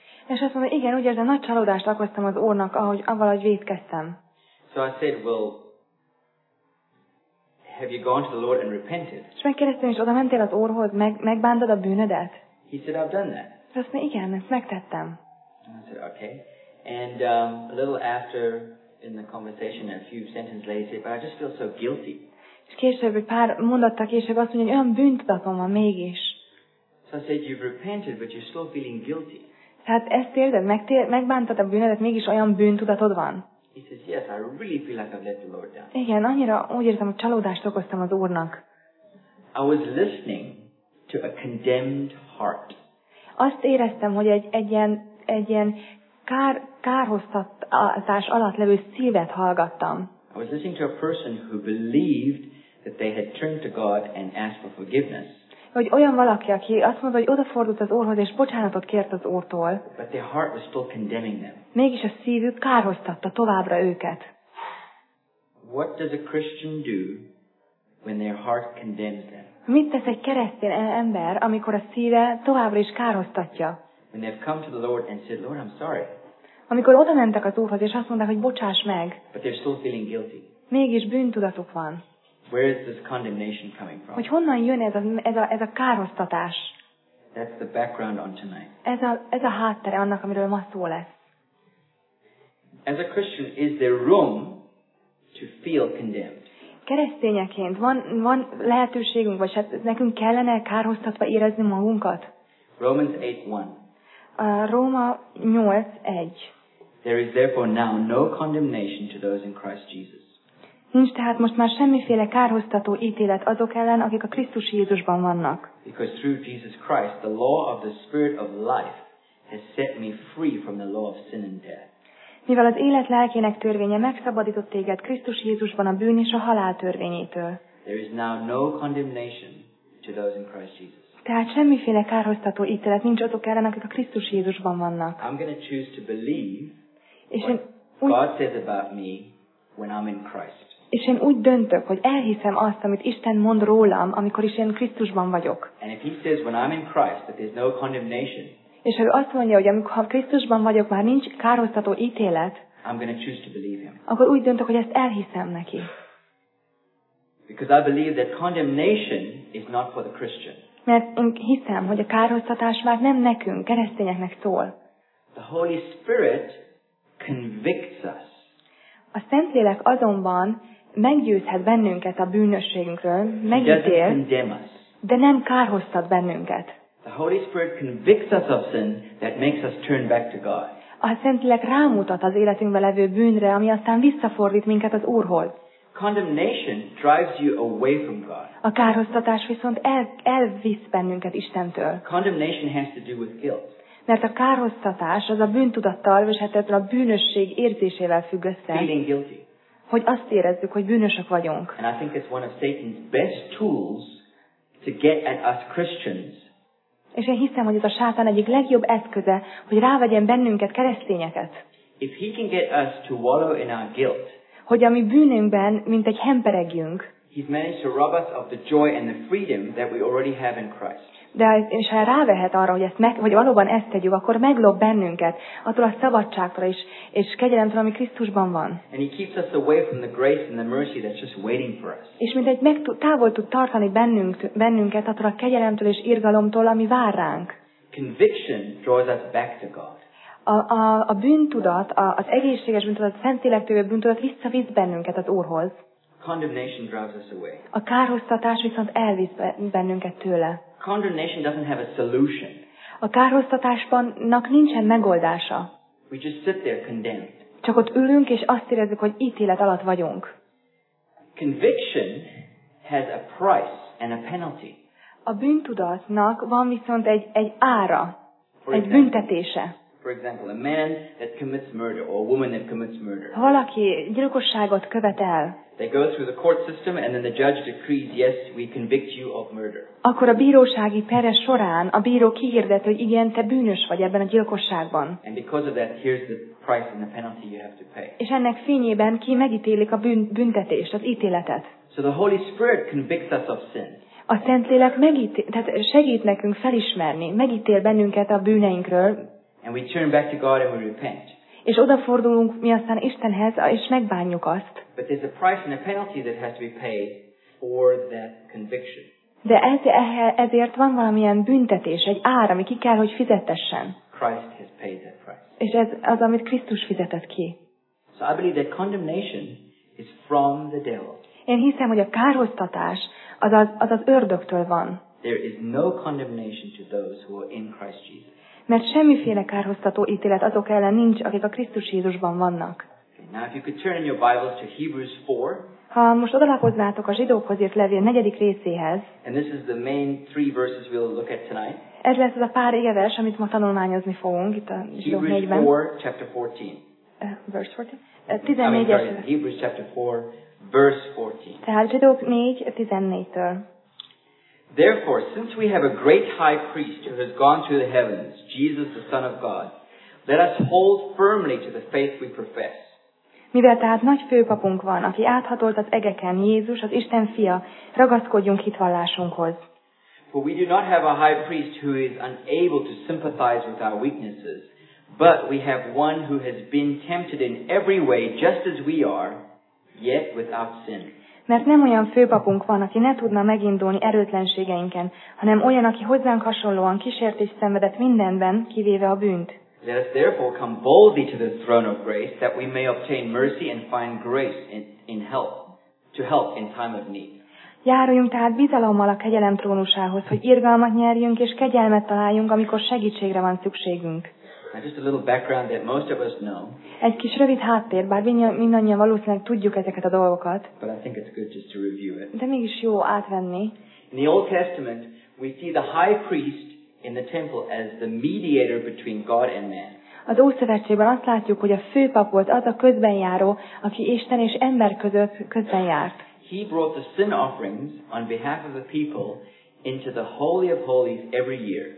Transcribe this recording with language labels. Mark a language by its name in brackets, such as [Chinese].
[Hungarian] És azt mondom, igen, úgy érzem, nagy csalódást okoztam az Úrnak, ahogy avalahogy vétkeztem. [English] So I said, well, have you gone to the Lord and repented? [Hungarian] És megkérdeztem, és oda mentél az Úrhoz, megbántad a bűnödet? [English] He said, I've done that. [Hungarian] És azt mondom, igen, ezt megtettem. [English] I said, okay. And a little after in the conversation, a few sentences later, but I just feel so guilty. [Hungarian] És később, egy pár mondattal később azt mondja, hogy olyan bűntudatom van mégis. [English] So I said, you've repented, but you're still feeling guilty. [Hungarian] Tehát ezt érted, megbántad a bűnödet, mégis olyan bűntudatod van. [English] He says, yes, I really feel like I've let the Lord down. [Hungarian] Igen, annyira úgy érzem, hogy csalódást okoztam az Úrnak. [English] I was listening to a condemned heart. [Hungarian] Azt éreztem, hogy egy ilyen kárhoztatás alatt levő szívet hallgattam. [English] I was listening to a person who believed that they had turned to God and asked for forgiveness. [Hungarian] Hogy olyan valaki, aki azt mondta, hogy odafordult az Úrhoz, és bocsánatot kért az Úrtól. [English] But their heart was still condemning them. [Hungarian] Mégis a szívük kárhoztatta továbbra őket. [English] What does a Christian do when their heart condemns them? [Hungarian] Mit tesz egy keresztény ember, amikor a szíve továbbra is kárhoztatja? [English] When they've come to the Lord and said, Lord, I'm sorry. [Hungarian] Amikor oda mentek az Úrhoz, és azt mondták, hogy bocsáss meg. [English] But they're still feeling guilty. [Hungarian] Mégis bűntudatuk van. [English] Where is this condemnation coming from? [Hungarian] Hogy honnan jön ez a károsztatás? [English] That's the background on tonight. [Hungarian] Ez a háttere annak, amiről ma szó lesz. [English] As a Christian, is there room to feel condemned? [Hungarian] Keresztényeként van lehetőségünk, vagy hát nekünk kellene károsztatva érezni magunkat? [English] Romans 8:1. [Hungarian] A Róma 8:1. [English] There is therefore now no condemnation to those in Christ Jesus. [Hungarian] Nincs tehát most már semmiféle kárhoztató ítélet azok ellen, akik a Krisztus Jézusban vannak. [English] Because through Jesus Christ, the law of the Spirit of life has set me free from the law of sin and death. [Hungarian] Mivel az élet lelkének törvénye megszabadított téged Krisztus Jézusban a bűn és a halál törvényétől. [English] There is now no condemnation to those in Christ Jesus. [Hungarian] Tehát semmiféle kárhoztató ítélet nincs azok ellen, akik a Krisztus Jézusban vannak. [English] I'm going to choose to believe what God says about me when I'm in Christ. [Hungarian] És én úgy döntök, hogy elhiszem azt, amit Isten mond rólam, amikor is én Krisztusban vagyok. [English] And if he says when I'm in Christ that there's no condemnation. [Hungarian] És ha ő azt mondja, hogy amikor Krisztusban vagyok, már nincs károsztató ítélet. [English] I'm going to choose to believe him. [Hungarian] Akkor úgy döntök, hogy ezt elhiszem neki. [English] Because I believe that condemnation is not for the Christian. [Hungarian] Mert én hiszem, hogy a kárhoztatás már nem nekünk, keresztényeknek szól. [English] The Holy Spirit convicts us. [Hungarian] A Szentlélek azonban meggyőzhet bennünket a bűnösségünkről, megítél, de nem kárhoztat bennünket. [English] The Holy Spirit convicts us of sin that makes us turn back to God. [Hungarian] A Szentlélek rámutat az életünkben levő bűnre, ami aztán visszafordít minket az Úrhoz. [English] Condemnation drives you away from God. [Hungarian] A kárhoztatás viszont elvisz bennünket Istentől. [English] Condemnation has to do with guilt. [Hungarian] Mert a kárhoztatás az a bűntudattal, és hát ebből a bűnösség érzésével függ össze. [English] Feeling guilty. [Hungarian] Hogy azt érezzük, hogy bűnösök vagyunk. [English] And I think it's one of Satan's best tools to get at us Christians. [Hungarian] És én hiszem, hogy ez a sátán egyik legjobb eszköze, hogy rávegyen bennünket, keresztényeket. [English] If he can get us to wallow in our guilt, [Hungarian] hogy a mi bűnünkben, mint egy hemperegjünk, [English] he's managed to rob us of the joy and the freedom that we already have in Christ. [Hungarian] De és ha rávehet arra, hogy ezt meg, vagy valóban ezt tegyük, akkor meglop bennünket attól a szabadságtól is, és kegyelemtől, ami Krisztusban van. [English] And he keeps us away from the grace and the mercy that's just waiting for us. [Hungarian] És mint egy távol tud tartani bennünket attól a kegyelemtől és irgalomtól, ami vár ránk. [English] Conviction draws us back to God. [Hungarian] A bűntudat, az egészséges bűntudat, a Szentlélektől jövő bűntudat visszavisz bennünket az Úrhoz. [English] Condemnation drives us away. [Hungarian] A kárhoztatás viszont elvisz bennünket tőle. [English] Condemnation doesn't have a solution. [Hungarian] A kárhoztatásnak nincsen megoldása. [English] We just sit there condemned. [Hungarian] Csak ott ülünk és azt érezzük, hogy ítélet alatt vagyunk. [English] Conviction has a price and a penalty. [Hungarian] A bűntudatnak van viszont egy ára, egy büntetése. [English] For example, a man that commits murder or a woman that commits murder. [Hungarian] Ha valaki gyilkosságot követ el. [English] They go through the court system and then the judge decrees, yes, we convict you of murder. [Hungarian] Akkor a bírósági pere során a bíró kihirdet, hogy igen, te bűnös vagy ebben a gyilkosságban. [English] And because of that, here's the price and the penalty you have to pay. [Hungarian] És ennek fényében ki megítélik a büntetést, az ítéletet. [English] So the Holy Spirit convicts us of sin. [Hungarian] A Szentlélek segít nekünk felismerni, megítél bennünket a bűneinkről. [English] And we turn back to God and we repent. [Hungarian] És odafordulunk mi aztán Istenhez, és megbánjuk azt. [English] But there's a price and a penalty that has to be paid for that conviction. [Hungarian] De ezért van valamilyen büntetés, egy ár, ami ki kell, hogy fizetessen. [English] Christ has paid that price. [Hungarian] És ez az, amit Krisztus fizetett ki. [English] So I believe that condemnation is from the devil. [Hungarian] Én hiszem, hogy a kárhoztatás az ördögtől van. [English] There is no condemnation to those who are in Christ Jesus. [Hungarian] Mert semmiféle kárhoztató ítélet azok ellen nincs, akik a Krisztus Jézusban vannak. [English] Now, if you could turn in your Bibles to Hebrews 4, [Hungarian] ha most odalapoznátok a zsidókhoz írt levél negyedik részéhez, [English] and this is the main three verses we'll look at tonight, [Hungarian] ez lesz az a pár éves, amit ma tanulmányozni fogunk itt a zsidók négyben. [English] Hebrews 4, chapter 14. Hebrews chapter 4, verse 14. [Hungarian] Tehát zsidók 4, 14-től. [English] Therefore, since we have a great high priest who has gone through the heavens, Jesus the Son of God, let us hold firmly to the faith we profess. [Hungarian] Mivel tehát nagy főpapunk van, aki áthatolt az egeken, Jézus, az Isten fia, ragaszkodjunk hitvallásunkhoz. [English] For we do not have a high priest who is unable to sympathize with our weaknesses, but we have one who has been tempted in every way just as we are, yet without sin. [Hungarian] Mert nem olyan főpapunk van, aki ne tudna megindulni erőtlenségeinken, hanem olyan, aki hozzánk hasonlóan kísért és szenvedett mindenben, kivéve a bűnt. [English] Let us therefore come boldly to the throne of grace, that we may obtain mercy and find grace in help, to help in time of need. [Hungarian] Járuljunk tehát bizalommal a kegyelem trónusához, hogy irgalmat nyerjünk és kegyelmet találjunk, amikor segítségre van szükségünk. [English] Now just a little background that most of us know. [Hungarian] Egy kis rövid háttér, bár mindannyian valószínűleg tudjuk ezeket a dolgokat. [English] But I think it's good just to review it. [Hungarian] De mégis jó átvenni. [English] In the Old Testament, we see the high priest in the temple as the mediator between God and man. [Hungarian] Az Ószövetségben azt látjuk, hogy a főpap volt az a közbenjáró, aki Isten és ember között közbenjárt. [English] He brought the sin offerings on behalf of the people into the Holy of Holies every year.